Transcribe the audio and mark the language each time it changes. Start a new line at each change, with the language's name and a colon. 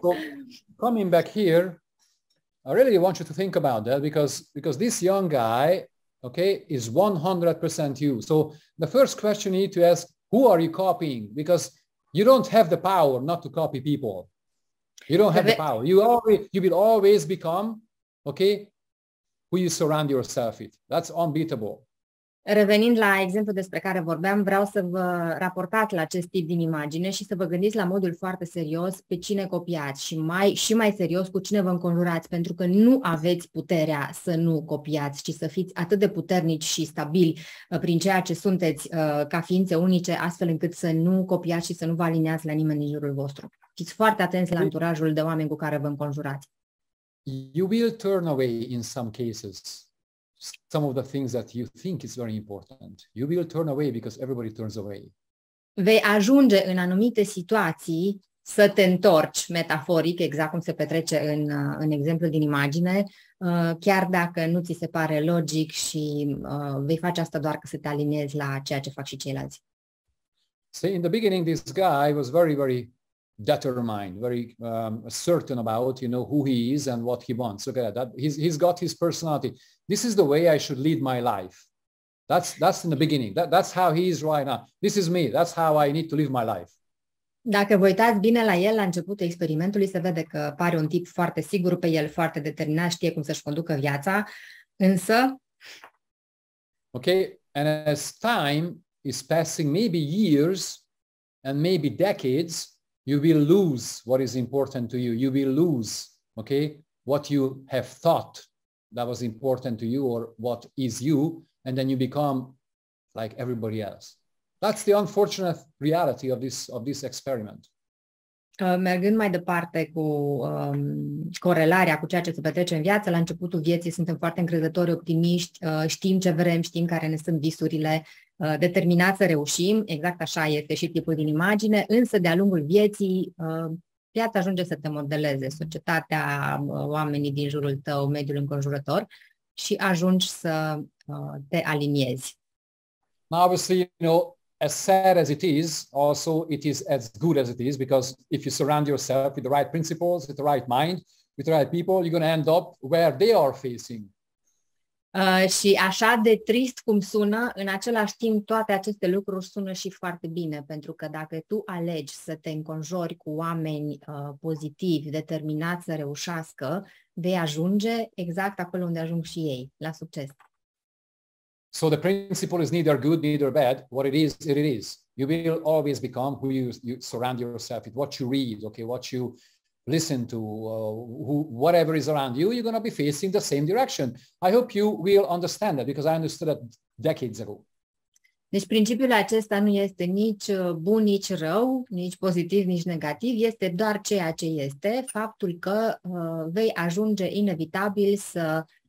English: So, coming back here, I really want you to think about that because this young guy, okay, is 100% you. So the first question you need to ask, who are you copying? Because you don't have the power not to copy people. You don't have the power. You will always become, okay, who you surround yourself with. That's unbeatable.
Romanian: Revenind la exemplul despre care vorbeam, vreau să vă raportați la acest tip din imagine și să vă gândiți la modul foarte serios pe cine copiați și mai serios cu cine vă înconjurați, pentru că nu aveți puterea să nu copiați, ci să fiți atât de puternici și stabili prin ceea ce sunteți ca ființe unice, astfel încât să nu copiați și să nu vă aliniați la nimeni din jurul vostru. Fiți foarte atenți la anturajul de oameni cu care vă înconjurați.
English: You will turn away in some cases. Some of the things that you think is very important, you will turn away because everybody turns away.
Romanian: vei ajunge în anumite situații să te întorci metaforic, exact cum se petrece în, în exemplul din imagine, chiar dacă nu ți se pare logic și vei face asta doar ca să te aliniezi la ceea ce fac și ceilalți.
English: See, in the beginning, this guy was very, very determined, very certain about, you know, who he is and what he wants. Look at that. He's got his personality. This is the way I should lead my life. That's in the beginning. That's how he is right now. This is me. That's how I need to live my life.
Romanian: Dacă vă uitați bine la el la începutul experimentului, se vede că pare un tip foarte sigur pe el, foarte determinat, știe cum să-și conducă viața, însă...
English: Okay, and as time is passing, maybe years and maybe decades, you will lose what is important to you. You will lose, okay, what you have thought that was important to you or what is you, and then you become like everybody else. That's the unfortunate reality of this experiment.
Romanian: Mergând mai departe cu corelarea cu ceea ce se petrece în viață, la începutul vieții suntem foarte încrezători, optimiști, știm ce vrem, știm care ne sunt visurile, determinați să reușim, exact așa este și tipul din imagine, însă de-a lungul vieții viața ajunge să te modeleze, societatea, oamenii din jurul tău, mediul înconjurător și ajungi să te aliniezi.
English: Now obviously, you know, as sad as it is, also it is as good as it is, because if you surround yourself with the right principles, with the right mind, with the right people, you're going to end up where they are facing.
Romanian: Și așa de trist cum sună, în același timp toate aceste lucruri sună și foarte bine, pentru că dacă tu alegi să te înconjori cu oameni pozitivi, determinați să reușească, vei ajunge exact acolo unde ajung și ei, la succes.
English: So the principle is neither good, neither bad. What it is, it is. You will always become who you surround yourself with, what you read, okay, what you listen to, whatever is around you, you're going to be facing the same direction. I hope you will understand that, because I understood that decades ago.
Romanian: Deci principiul acesta nu este nici bun, nici rău, nici pozitiv, nici negativ, este doar ceea ce este, faptul că vei ajunge inevitabil să...